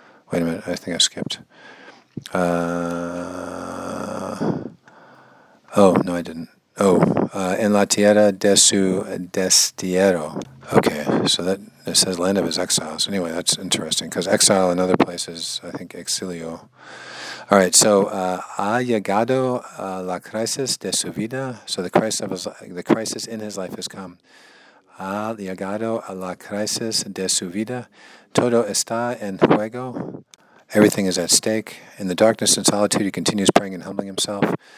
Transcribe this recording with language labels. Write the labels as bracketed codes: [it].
[en] Wait a minute, I think I skipped. [es] En la tierra de su destierro. [en] Okay, so that it says land of his exile. So anyway, that's interesting, because exile in other places, I think exilio. [es] All right, so ha llegado la crisis de su vida. [en] So the crisis in his life has come. [es] Ha llegado a la crisis de su vida. Todo está en juego. [en] Everything is at stake. In the darkness and solitude, he continues praying and humbling himself.